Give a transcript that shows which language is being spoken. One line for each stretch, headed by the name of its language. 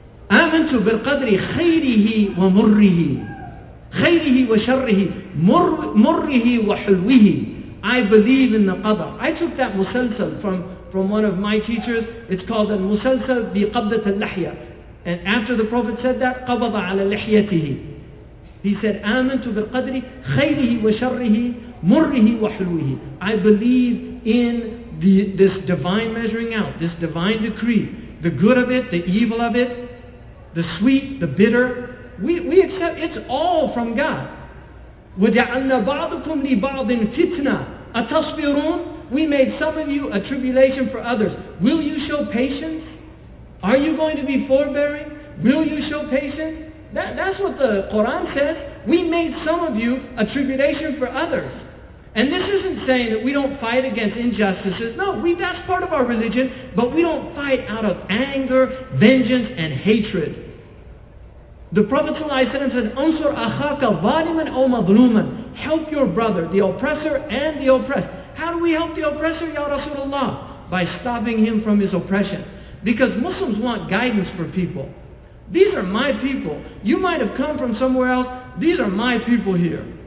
Arabic: آمنت بالقدر خيره ومره خيره وشره مره وحلوه.
English: I believe in the Qadr. I took that musalsal from one of my teachers. It's called al-musalsal biqabdat al-lahya. And after the Prophet said that,
Arabic: قبض على لحيته.
English: He said,
Arabic: آمنت بالقدر خيره وشره مره وحلوه.
English: I believe in this divine measuring out, this divine decree, the good of it, the evil of it, the sweet, the bitter. We accept it's all from God.
Arabic: وَجَعَلْنَا بَعْضُكُمْ لِبَعْضٍ فِتْنَةً أَتَصْبِرُونَ.
English: We made some of you a tribulation for others. Will you show patience? Are you going to be forbearing? Will you show patience? That's what the Quran says. We made some of you a tribulation for others. And this isn't saying that we don't fight against injustices. No, that's part of our religion. But we don't fight out of anger, vengeance, and hatred. The Prophet ﷺ said,
Arabic: أَنصُرْ أَخَاكَ ظَالِمًا أَوْ مَظْلُومًا.
English: Help your brother, the oppressor and the oppressed. How do we help the oppressor, Ya Rasulullah? By stopping him from his oppression. Because Muslims want guidance for people. These are my people. You might have come from somewhere else. These are my people here.